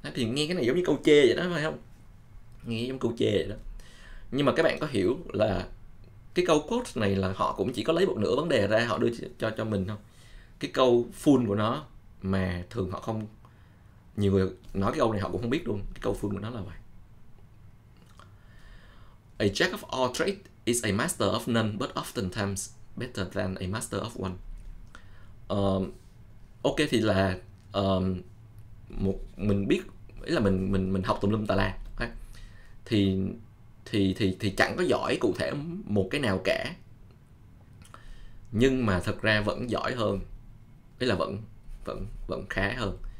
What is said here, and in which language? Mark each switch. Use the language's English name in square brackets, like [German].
[Vietnamese] Thì nghe cái này giống như câu chê vậy đó, phải không? Nghe giống câu chê vậy đó. Nhưng mà các bạn có hiểu là cái câu quote này là họ cũng chỉ có lấy một nửa vấn đề ra họ đưa cho mình thôi. Cái câu full của nó mà thường họ không, nhiều người nói cái câu này họ cũng không biết luôn, cái câu full của nó là vậy. [English] A jack of all trade is a master of none, but often times better than a master of one. [Vietnamese] Ok, thì là một mình biết, ý là mình học tùm lum tà la. Okay. Thì chẳng có giỏi cụ thể một cái nào cả. Nhưng mà thật ra vẫn giỏi hơn. Ý là vẫn vẫn vẫn khá hơn.